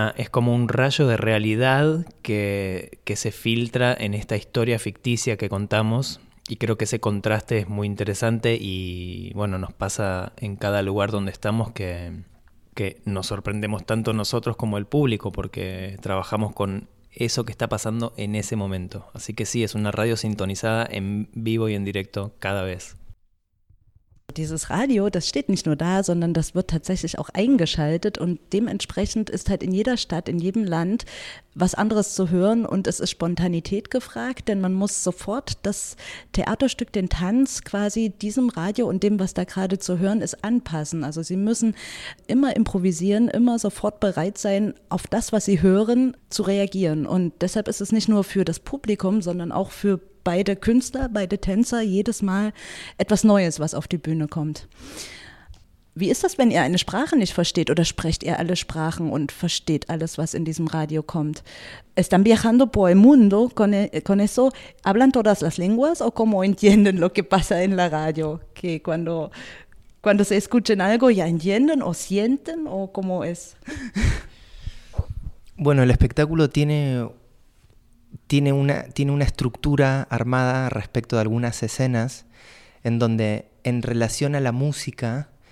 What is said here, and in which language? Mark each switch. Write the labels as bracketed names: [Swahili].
[Spanish] como un rayo de realidad que se filtra en esta historia ficticia que contamos y creo que ese contraste es muy interesante y bueno, nos pasa en cada lugar donde estamos que nos sorprendemos tanto nosotros como el público porque trabajamos con eso que está pasando en ese momento. Así que sí, es una radio sintonizada en vivo y en directo cada vez. [German] Dieses Radio, das steht nicht nur da, sondern das wird tatsächlich auch eingeschaltet und dementsprechend ist halt in jeder Stadt, in jedem Land was anderes zu hören und es ist Spontanität gefragt, denn man muss sofort das Theaterstück, den Tanz quasi diesem Radio und dem, was da gerade zu hören ist, anpassen. Also sie müssen immer improvisieren, immer sofort bereit sein, auf das, was sie hören, zu reagieren. Und deshalb ist es nicht nur für das Publikum, sondern auch für beide Künstler, beide Tänzer, jedes Mal etwas Neues, was auf die Bühne kommt. Wie ist das, wenn ihr eine Sprache nicht versteht oder sprecht ihr alle Sprachen und versteht alles, was in diesem Radio kommt? [Spanish] ¿Están viajando por el mundo con eso? ¿Hablan todas las lenguas o cómo entienden lo que pasa en la radio? ¿Que cuando se escuchen algo ya entienden o sienten o cómo es? Bueno, el espectáculo tiene una estructura armada respecto de algunas escenas en donde en relación a la música